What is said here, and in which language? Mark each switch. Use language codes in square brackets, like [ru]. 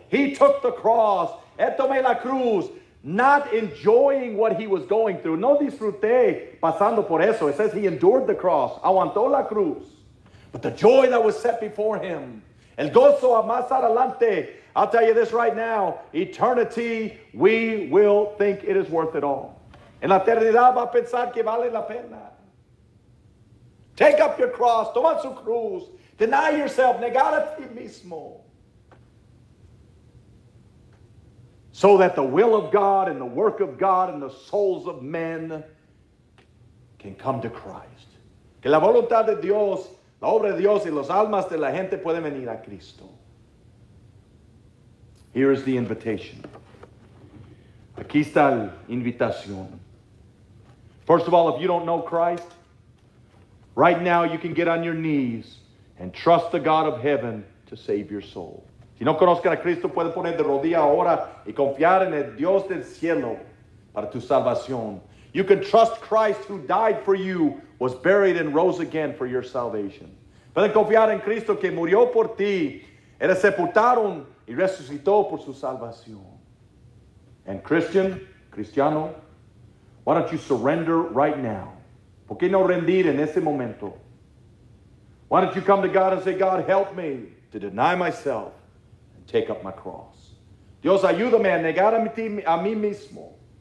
[en] He took the cross. [es] Él tomó la cruz. [en] Not enjoying what he was going through. [es] No disfruté pasando por eso. [en] It says he endured the cross. [es] Aguantó la cruz. [en] But the joy that was set before him. [es] El gozo más adelante. [en] I'll tell you this right now. Eternity, we will think it is worth it all. [es] En la eternidad va a pensar que vale la pena. [en] Take up your cross. [es] Toma su cruz. [en] Deny yourself. [es] Negar a ti mismo. [en] So that the will of God and the work of God and the souls of men can come to Christ. [es] Que la voluntad de Dios, la obra de Dios y los almas de la gente pueden venir a Cristo. [en] Here is the invitation. [es] Aquí está la invitación. [en] First of all, if you don't know Christ, right now, you can get on your knees and trust the God of heaven to save your soul. [es] Si no conozcan a Cristo, pueden poner de rodillas ahora y confiar en el Dios del cielo para tu salvación. [en] You can trust Christ who died for you, was buried and rose again for your salvation. [es] Pueden confiar en Cristo que murió por ti, era sepultado y resucitó por su salvación. [en] And Cristiano, why don't you surrender right now? [es] ¿Por qué no rendir en ese momento? [en] Why don't you come to God and say, God, help me to deny myself and take up my cross. [es] Dios, ayúdame a negar a mí mismo.